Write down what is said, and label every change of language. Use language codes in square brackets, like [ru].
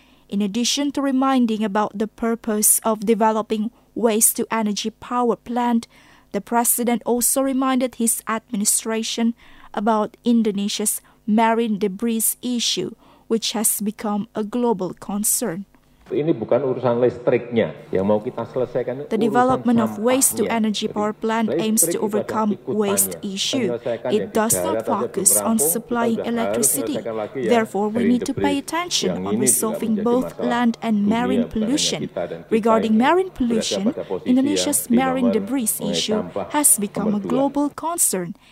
[en] In addition to reminding about the purpose of developing waste-to-energy power plant, the president also reminded his administration about Indonesia's marine debris issue, which has become a global concern. [id] Ini bukan urusan listriknya yang mau kita selesaikan. [en] The development of waste-to-energy power plant aims to overcome waste issue. It does not focus on supplying electricity. Therefore, we need to pay attention on resolving both land and marine pollution. Regarding marine pollution, Indonesia's marine debris issue has become a global concern.